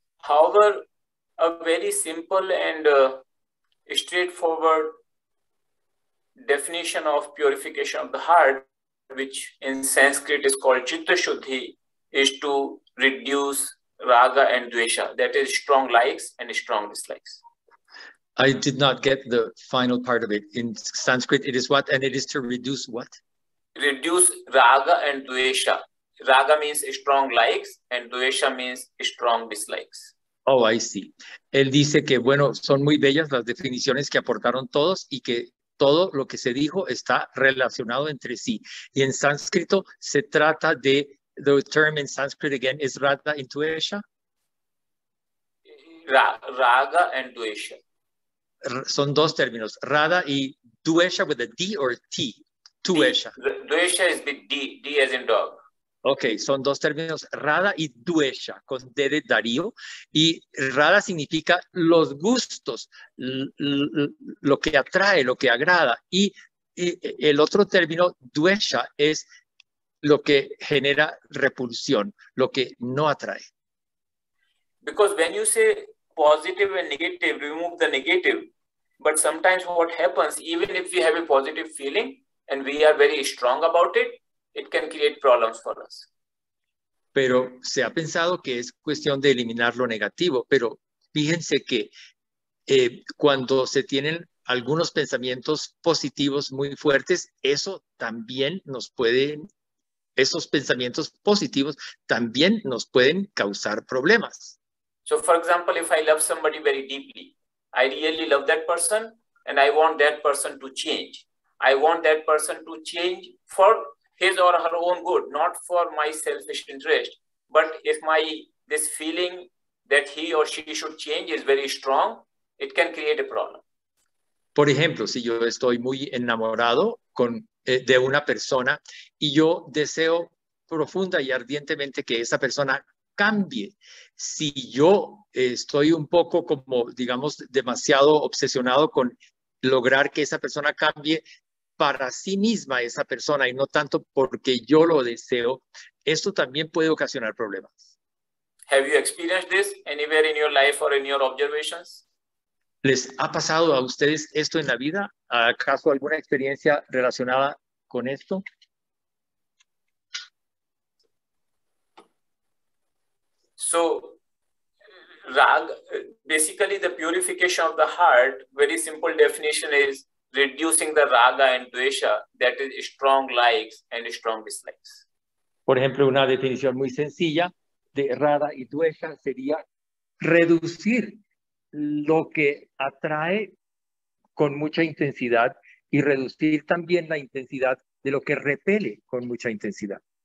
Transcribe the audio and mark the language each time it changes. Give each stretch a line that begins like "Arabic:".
English: However, a very simple and straightforward definition of purification of the heart, which in Sanskrit is called Chitta Shuddhi, is to reduce raga and dvesha, that is strong likes and strong dislikes. I did not get the final part of it. In Sanskrit, it is what? And it is to reduce what? Reduce raga and dvesha. Raga means strong likes and dvesha means strong dislikes. Oh, I see.
Spanish: Él dice que, bueno, son muy bellas las definiciones que aportaron todos y que todo lo que se dijo está relacionado entre sí. Y en sánscrito se trata de,
English: the term in Sanskrit again is raga and dvesha. Raga and dvesha.
Spanish: Son dos términos, Rada y Duesha
English: with a D or T,
Spanish: Duesha.
English: Duesha is with D, D as in dog.
Spanish: Okay, son dos términos, Rada y Duesha, con D de Darío. Y Rada significa los gustos, lo que atrae, lo que agrada. Y el otro término, Duesha, es lo que genera repulsión, lo que no atrae.
English: Because when you say positive and negative, remove the negative. But sometimes what happens, even if we have a positive feeling and we are very strong about it, it can create problems for us.
Spanish: Pero se ha pensado que es cuestión de eliminar lo negativo, pero fíjense que cuando se tienen algunos pensamientos positivos muy fuertes, eso también nos puede, esos pensamientos positivos también nos pueden causar problemas.
English: So, for example, if I love somebody very deeply, I really love that person and I want that person to change. I want that person to change for his or her own good, not for my selfish interest. But if this feeling that he or she should change is very strong, it can create a problem.
Spanish: Por ejemplo, si yo estoy muy enamorado de una persona y yo deseo profunda y ardientemente que esa persona cambie. Si yo estoy un poco como, digamos, demasiado obsesionado con lograr que esa persona cambie para sí misma esa persona y no tanto porque yo lo deseo, esto también puede ocasionar problemas.
English: Have you experienced this anywhere in your life or in your observations?
Spanish: ¿Les ha pasado a ustedes esto en la vida? ¿Acaso alguna experiencia relacionada con esto?
English: So, raga, basically the purification of the heart, very simple definition is reducing the raga and dvesha, that is strong likes and strong dislikes.
Spanish: Por ejemplo, una definición muy sencilla de raga y dvesha sería reducir lo que atrae con mucha intensidad y reducir también la intensidad de lo que repele con mucha intensidad.